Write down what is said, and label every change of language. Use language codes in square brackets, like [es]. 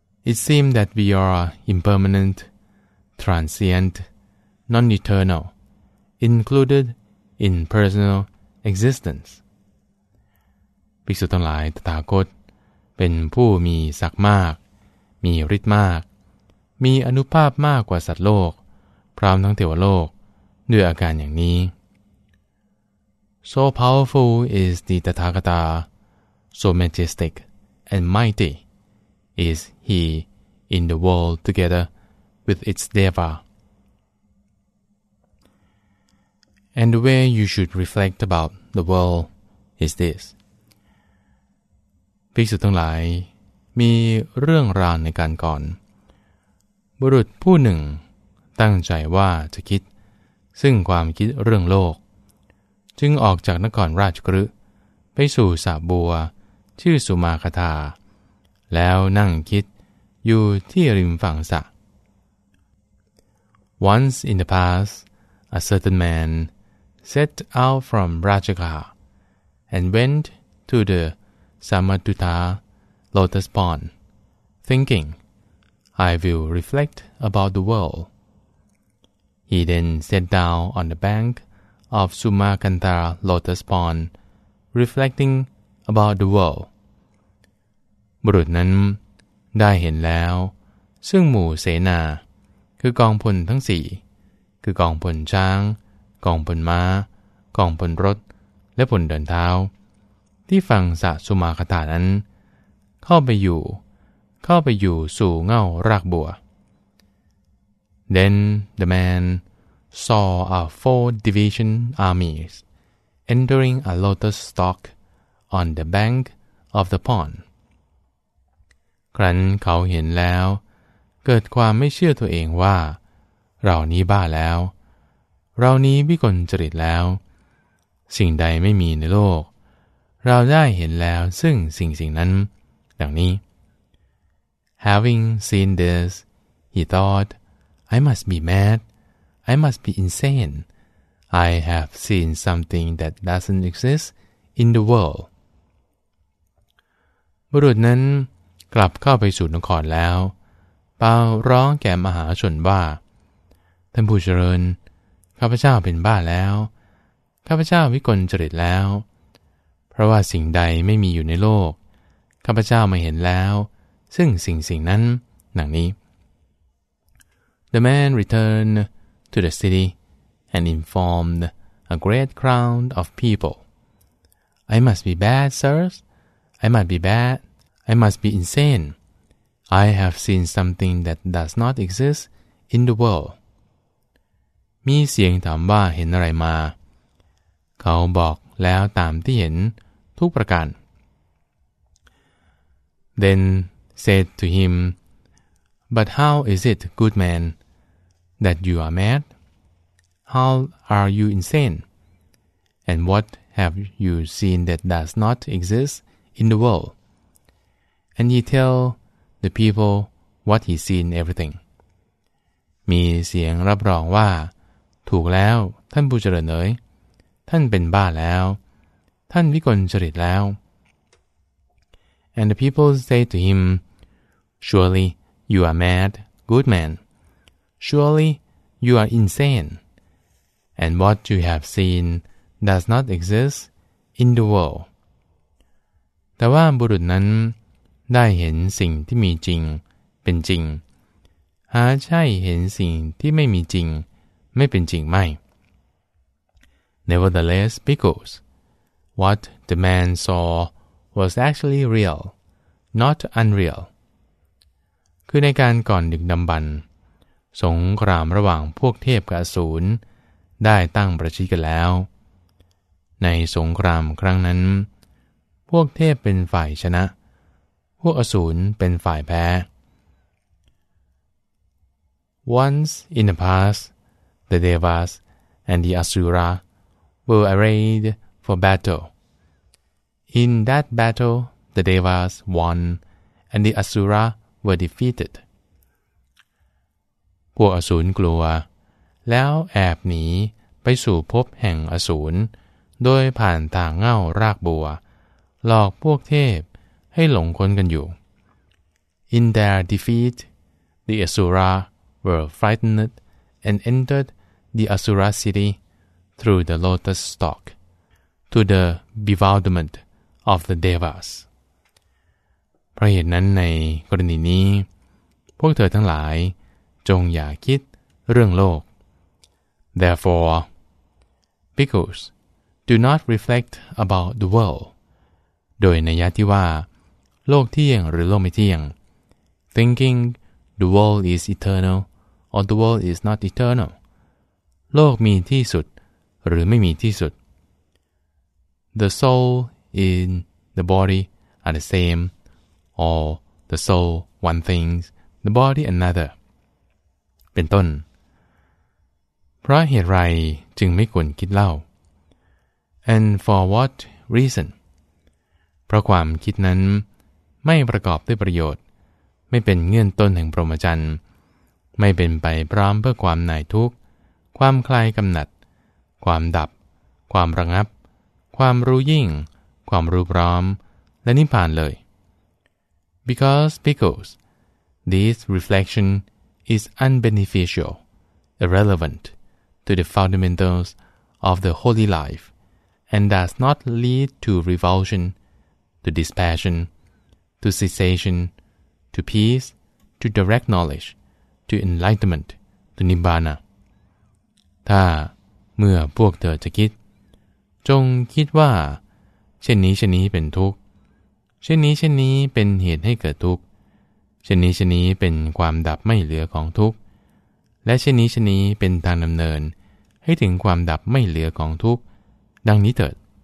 [en] It seems that we are impermanent, transient, non-eternal, included in personal existence. [th] ภิกษุทั้งหลายตถาคตเป็นผู้มีศักดิ์มากมีฤทธิ์มากมีอนุภาพมากกว่าสัตว์โลกพร้อมทั้งเทวโลกด้วยอาการอย่างนี้ [en] So powerful is the Tathagata, so majestic and mightyIs he in the world together with its deva? And the way you should reflect about the world is this. [th] ภิกษุทั้งหลายมีเรื่องราวในการก่อนบุรุษผู้หนึ่งตั้งใจว่าจะคิดซึ่งความคิดเรื่องโลกจึงออกจากนครราชกฤห์ไปสู่สระบัวชื่อสุมาคตาแล้วนั่งคิดอยู่ที่ริมฝั่งสระ [en] Once in the past, a certain man set out from Rajagaha and went to the Samadutta lotus pond, thinking, I will reflect about the world. He then sat down on the bank of Sumakantara lotus pond, reflecting about the world. [th] บุรุษนั้นได้เห็นแล้วซึ่งหมู่เสนาคือกองพลทั้งสี่คือกองพลช้างกองพลม้ากองพลรถและพลเดินเท้าที่ฝั่งสระสุมาคตานั้นเข้าไปอยู่สู่เง่ารากบัว [en] Then the man saw a four division armies entering a lotus stalk on the bank of the pond [th] ครั้นเขาเห็นแล้วเกิดความไม่เชื่อตัวเองว่าเรานี้บ้าแล้วเรานี้วิกลจริตแล้วสิ่งใดไม่มีในโลกเราได้เห็นแล้วซึ่งสิ่งนั้นดังนี้ [en] Having seen this, he thought, I must be mad, I must be insane, I have seen something that doesn't exist in the world. [th] บุรุษนั้นกลับเข้าไปสู่นครแล้วเป่าร้องแก่มหาชนว่าท่านผู้เจริญข้าพเจ้าเป็นบ้าแล้วข้าพเจ้าวิกลจริตแล้วเพราะว่าสิ่งใดไม่มีอยู่ในโลกข้าพเจ้าไม่เห็นแล้วซึ่งสิ่งนั้นหนังนี้ [en] The man returned to the city and informed a great crowd of people. I must be bad, sirs. I must be badI must be insane. I have seen something that does not exist in the world. [th] มีเสียงถามว่าเห็นอะไรมาเขาบอกแล้วตามที่เห็นทุกประการ [en] Then said to him, But how is it, good man, that you are mad? How are you insane? And what have you seen that does not exist in the world? And he tell the people what he seen everything. [th] มีเสียงรับรองว่าถูกแล้วท่านผู้เจริญเอ๋ยท่านเป็นบ้าแล้วท่านวิกลจริตแล้ว [en] And the people say to him, Surely you are mad, good man. Surely you are insane. And what you have seen does not exist in the world. [th] แต่ว่าบุรุษนั้นได้เห็นสิ่งที่มีจริงเป็นจริงหาใช่เห็นสิ่งที่ไม่มีจริงไม่เป็นจริงไม่ [en] Nevertheless, because what the man saw was actually real, not unreal. [th] คือในการก่อนดึกดำบรรพ์สงครามระหว่างพวกเทพกับอสูรได้ตั้งประชิดกันแล้วในสงครามครั้งนั้นพวกเทพเป็นฝ่ายชนะพวกอสูรเป็นฝ่ายแพ้ [en] Once in the past, the Devas and the Asura were arrayed for battle. In that battle, the Devas won and the Asura were defeated. [th] พวกอสูรกลัวแล้วแอบหนีไปสู่ภพแห่งอสูรโดยผ่านทางเง่ารากบัวหลอกพวกเทพให้หลงคนกันอยู่ [en] In their defeat, the AsuraWere frightened and entered the Asura city through the lotus stalk to the bewilderment of the Devas. [th] เพราะเหตุนั้นในกรณีนี้พวกเธอทั้งหลายจงอย่าคิดเรื่องโลก [en] Therefore, bhikkhus, do not reflect about the world. [th] โดยนัยยะที่ว่าโลกเที่ยงหรือโลกไม่เที่ยง [en] thinking the world is eternal. Or the world is not eternal. [th] โลกมีที่สุดหรือไม่มีที่สุด [en] The soul in the body are the same, or the soul one thing, the body another. [th] เป็นต้นเพราะเหตุไรจึงไม่ควรคิดเล่า [en] And for what reason? [th] เพราะความคิดนั้นไม่ประกอบด้วยประโยชน์ไม่เป็นเงื่อนต้นแห่งพรหมจรรย์ไม่เป็นไปพร้อมเพื่อความหน่ายทุกข์ความคลายกำหนัดความดับความระงับความรู้ยิ่งความรู้พร้อมและนิพพานเลย [en] Because bhikkhus, this reflection is unbeneficial, irrelevant to the fundamentals of the holy life, and does not lead to revulsion, to dispassion, to cessation, to peace, to direct knowledge. To enlightenment, to nibbana. [th] ถ้าเมื่อพวกเธอจะคิดจงคิดว่าเช่นนี้เช่นนี้เป็นทุกข์เช่นนี้เช่นนี้เป็นเหตุให้เกิดทุกข์เช่นนี้เช่นนี้เป็นความดับไม่เหลือของทุกข์และเช่นนี้เช่นนี้เป็นทางดำเนินให้ถึงความดับไม่เหลือของทุกข์ดังนี้เถิด